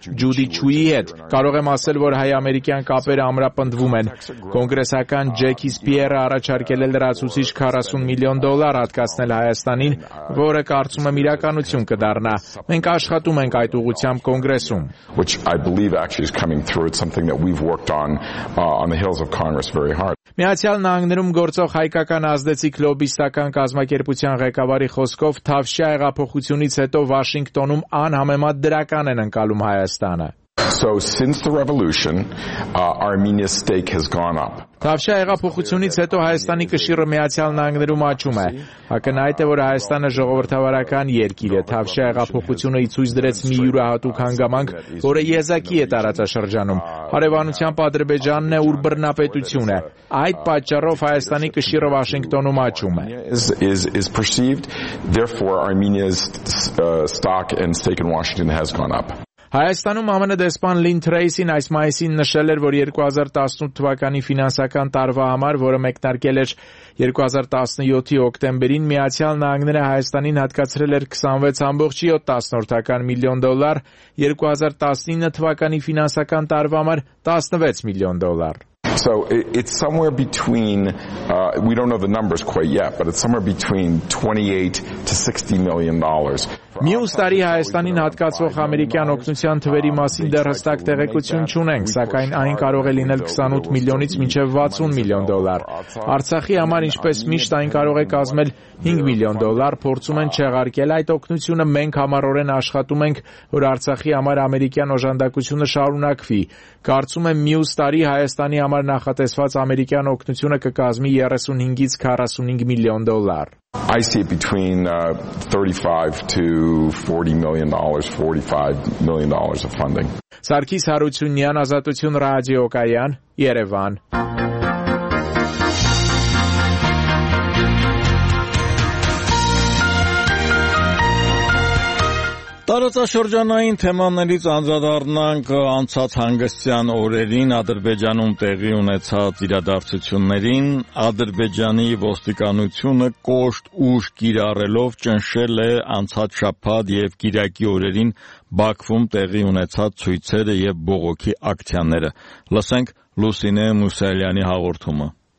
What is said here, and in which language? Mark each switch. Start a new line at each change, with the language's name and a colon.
Armenian: Ջուդի Չուի հետ, կարող եմ ասել, որ հայ-ամերիկյան կապերը ամրապնդվում են։ Կոնգրեսական Ջեքի Սպիերը առաջարկել է լրացուցիչ $40 միլիոն հատկացնել Հայաստանին, որը կարծում եմ իրականություն կդառնա։ Մենք աշխատում ենք այդ ուղղությամբ Կոնգրեսում.
English: Which I believe actually is coming through. It's something that we've worked on the hills of Congress very hard.
Armenian: Միացյալ Նահանգներում գործող հայկական ազդեցիկ լոբիստական կազմակերպության ղեկավարի խոսքով Թավշյա հեղափոխությունից հետո Վաշինգտոնում անհամեմատ դրական են ընկալում Հայաստանը։
English: So since the revolution, Armenia's stake has gone up.
Armenian: Թավշյա հեղափոխությունից հետո Հայաստանի կշիռը Միացյալ Նահանգներում աճում է։ Ակնհայտ է, որ Հայաստանը ժողովրդավարական երկիր է։ Թավշյա հեղափոխությունը ի ցույց դրեց մի յուրահատուկ հանգամանք, որը եզակի է տարածաշրջանում։ Հարևանությամբ Ադրբեջանն է, ուր բռնապետություն է։ Այդ պատճառով Հայաստանի կշիռը Վաշինգտոնում աճում է։
English: Is perceived, therefore Armenia's stock and stake in Washington has gone up.
Armenian: Հայաստանում ԱՄՆ դեսպան Լին Թրեյսին այս մայիսին նշել էր, որ 2018 թվականի ֆինանսական տարվա համար, որը մեկնարկել էր 2017-ի հոկտեմբերին, Միացյալ Նահանգները Հայաստանին հատկացրել էր $26.7 միլիոն, 2019 թվականի ֆինանսական տարվա համար $16 միլիոն.
English: So it's somewhere between we don't know the numbers quite yet, but it's somewhere between $28 to $60 million.
Armenian: Մյուս տարի Հայաստանին հատկացվող ամերիկյան օգնության թվերի մասին դեռ հստակ տեղեկություն չունենք, սակայն այն կարող է լինել 28 միլիոնից մինչև 60 միլիոն դոլար։ Արցախի համար, ինչպես միշտ, այն կարող է կազմել 5 միլիոն դոլար, փորձում են չեղարկել այդ օգնությունը, մենք համառորեն աշխատում ենք, որ Արցախի համար ամերիկյան օժանդակությունը շարունակվի։ Կարծում եմ, մյուս տարի Հայաստանի համար նախատեսված ամերիկյան օգնությունը կկազմի 35-ից 45 միլիոն դոլար։
English: I see it between 35 to 40 million dollars, 45 million dollars of funding.
Armenian: Սարգիս Հարությունյան, Ազատություն ռադիո Կայան, Երևան։ Տարածաշրջանային թեմաներից անդրադառնանք անցած հանգստյան օրերին Ադրբեջանում տեղի ունեցած իրադարձություններին։ Ադրբեջանի ոստիկանությունը կոշտ ուշ կիրառելով ճնշել է անցած շաբաթ և կիրակի օրերին Բաքվում տեղի ունեցած ցույցերը և բողոքի ակցիաները։ Լսենք Լուսինե Մուսալյանի հաղորդումը։